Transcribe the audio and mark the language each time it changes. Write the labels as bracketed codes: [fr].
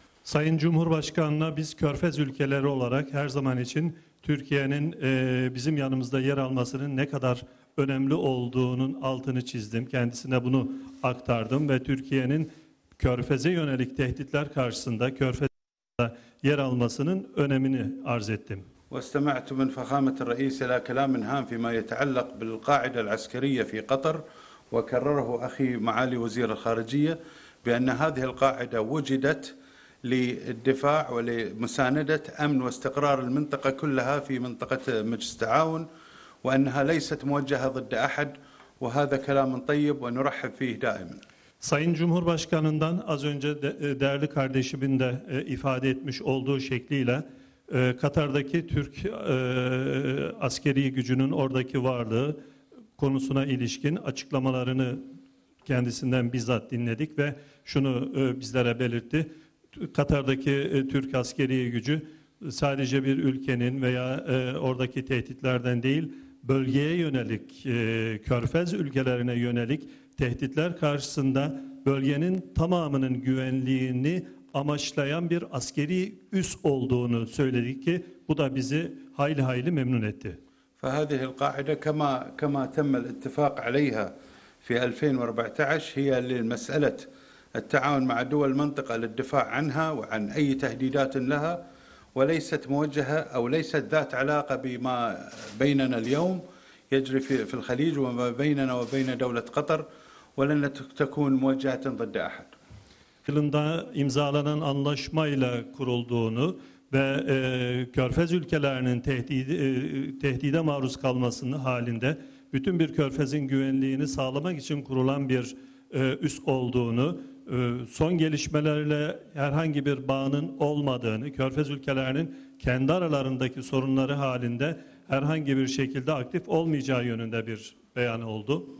[tr] Sayın Cumhurbaşkanına biz Körfez ülkeleri olarak her zaman için Türkiye'nin bizim yanımızda yer almasının ne kadar önemli olduğunun altını çizdim. Kendisine bunu aktardım ve Türkiye'nin Körfez'e yönelik tehditler karşısında Körfez'de yer almasının önemini arz ettim. [ar] واستمعت من فخامة الرئيس إلى كلام هام فيما يتعلق بالقاعدة العسكرية في قطر وكرره أخي معالي وزير الخارجية بأن هذه القاعدة وجدت للدفاع ولمساندة أمن واستقرار المنطقة كلها في منطقة مجلس التعاون وأنها ليست موجهة ضد أحد وهذا كلام طيب ونرحب فيه دائما. [tr] Sayın Cumhurbaşkanından az önce değerli kardeşimin de ifade etmiş olduğu şekliyle Katar'daki Türk askeri gücünün oradaki varlığı konusuna ilişkin açıklamalarını kendisinden bizzat dinledik ve şunu bizlere belirtti. Katar'daki Türk askeri gücü sadece bir ülkenin veya oradaki tehditlerden değil, bölgeye yönelik, Körfez ülkelerine yönelik tehditler karşısında bölgenin tamamının güvenliğini amaçlayan bir askeri üs olduğunu söyledik ki bu da bizi hayli hayli memnun etti. [ar] فهذه القاعدة كما تم الاتفاق عليها في 2014 هي للمسألة التعاون مع دول المنطقة للدفاع عنها وعن أي تهديدات لها وليست موجهة أو ليست ذات علاقة بما بيننا اليوم يجري في الخليج وما بيننا وبين دولة قطر ولن تكون موجهة ضد أحد. [tr] Yılında imzalanan anlaşmayla kurulduğunu ve Körfez ülkelerinin tehdide maruz kalmasını halinde bütün bir körfezin güvenliğini sağlamak için kurulan bir üs olduğunu, son gelişmelerle herhangi bir bağının olmadığını, körfez ülkelerinin kendi aralarındaki sorunları halinde herhangi bir şekilde aktif olmayacağı yönünde bir beyan oldu.